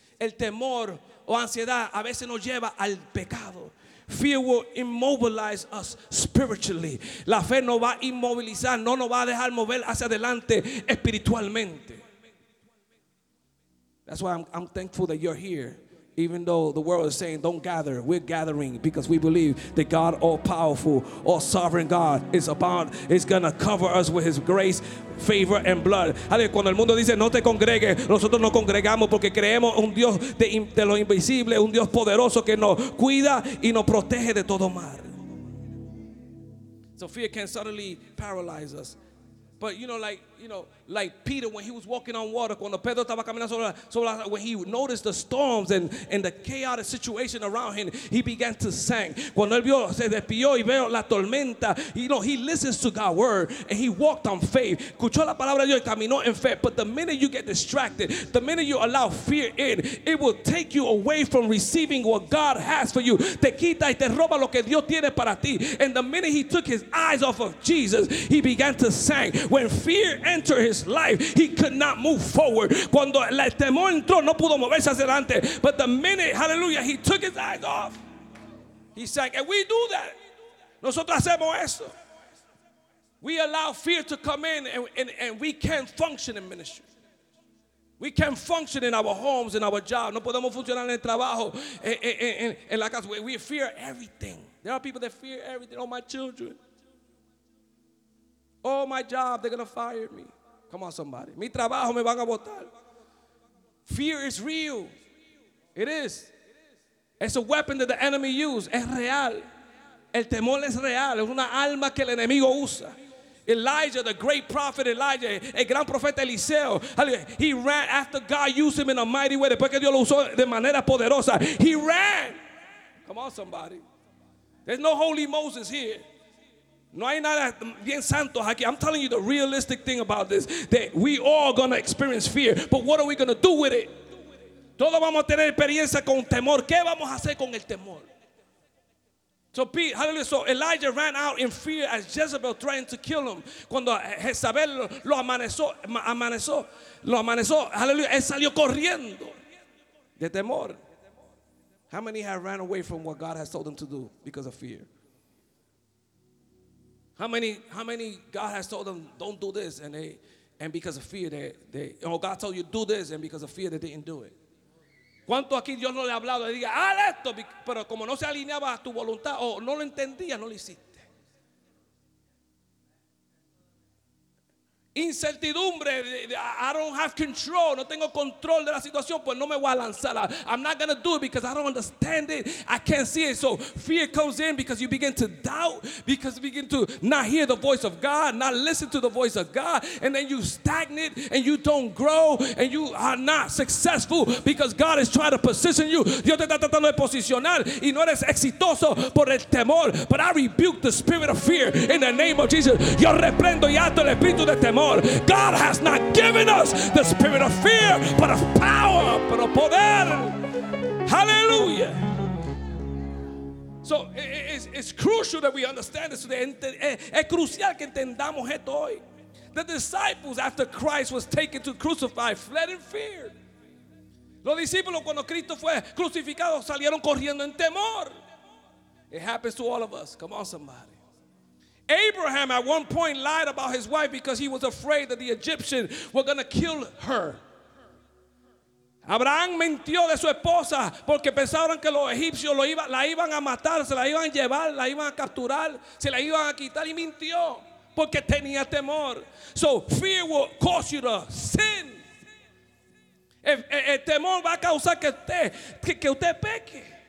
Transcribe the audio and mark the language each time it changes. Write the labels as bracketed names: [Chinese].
[Spanish] El temor o ansiedad a veces nos lleva al pecado. [English] Fear will immobilize us spiritually. [Spanish] La fe no va a inmovilizar, no nos va a dejar mover hacia adelante espiritualmente. [English] That's why I'm thankful that you're here. Even though the world is saying don't gather, we're gathering because we believe that God, all powerful, all sovereign God, is gonna cover us with His grace, favor, and blood. [Spanish] Cuando el mundo dice no te congregues, nosotros no congregamos porque creemos un Dios de lo invisible, un Dios poderoso que nos cuida y nos protege de todo mal. [English] So fear can suddenly paralyze us. But like Peter, when he was walking on water, [Spanish] cuando Pedro estaba caminando sobre, [English] when he noticed the storms and the chaotic situation around him, he began to sink. [Spanish] Cuando él vio, se despidió y vio la tormenta, [English] he listens to God's word and he walked on faith. [Spanish] Escuchó la palabra de Dios y caminó en fe. [English] But the minute you get distracted, the minute you allow fear in, it will take you away from receiving what God has for you. [Spanish] Te quita y te roba lo que Dios tiene para ti. [English] And the minute he took his eyes off of Jesus, he began to sink. When fear entered his life, he could not move forward. Cuando el temor entró, no pudo moverse hacia adelante. But the minute, hallelujah, he took his eyes off, he sank. And we do that. [Spanish] Nosotros hacemos eso. [English] We allow fear to come in and we can't function in ministry. We can't function in our homes, in our job. [Spanish] No podemos funcionar en el trabajo, en la casa. [English] We fear everything. There are people that fear everything. Oh, my children. Oh, my job. They're going to fire me. Come on, somebody. [Spanish] Mi trabajo me van a botar. [English] Fear is real. It is. It's a weapon that the enemy uses. [Spanish] Es real. El temor es real. Es una arma que el enemigo usa. Elijah, [English] the great prophet Elijah, [Spanish] el gran profeta Eliseo, [English] he ran after God used him in a mighty way. [Spanish] Después que Dios lo usó de manera poderosa, [English] he ran. Come on, somebody. There's no holy Moses here. [Spanish] No hay nada bien santo aquí. [English] I'm telling you the realistic thing about this, that we all going to experience fear, but what are we going to do with it? [Spanish] Todos vamos a tener experiencia con temor. ¿Qué vamos a hacer con el temor? [English] So Pete, [Spanish] hallelujah. [English] So Elijah ran out in fear as Jezebel threatened to kill him. [Spanish] Cuando Jezabel lo amaneció, hallelujah, él salió corriendo de temor. [English] How many have ran away from what God has told them to do because of fear? How many God has told them don't do this and because of fear they God told you do this and because of fear they didn't do it. [Spanish] ¿Cuánto aquí Dios no le ha hablado? Le diga, haz esto, pero como no se alineaba a tu voluntad o no lo entendía, no lo hiciste. Incertidumbre, [English] I don't have control, [Spanish] no tengo control de la situación, pues no me voy a lanzar. [English] I'm not going to do it because I don't understand it. I can't see it. So fear comes in because you begin to doubt, because you begin to not hear the voice of God, not listen to the voice of God, and then you stagnate and you don't grow and you are not successful because God is trying to position you. [Spanish] Dios te está tratando de posicionar y no eres exitoso por el temor. [English] But I rebuke the spirit of fear in the name of Jesus. [Spanish] Yo reprendo y ato el espíritu de temor. [English] God has not given us the spirit of fear, but of power, [Spanish] pero poder. [English] Hallelujah. So it's crucial that we understand this today. [Spanish] Es crucial que entendamos esto hoy. [English] The disciples, after Christ was taken to crucify, fled in fear. [Spanish] Los discípulos, cuando Cristo fue crucificado, salieron corriendo en temor. [English] It happens to all of us. Come on, somebody. Abraham at one point lied about his wife because he was afraid that the Egyptians were going to kill her. [Spanish] Abraham mintió de su esposa porque pensaron que los egipcios la iban a matar, se la iban a llevar, la iban a capturar, se la iban a quitar y mintió porque tenía temor. [English] So fear will cause you to sin. [Spanish] El temor va a causar que usted peque.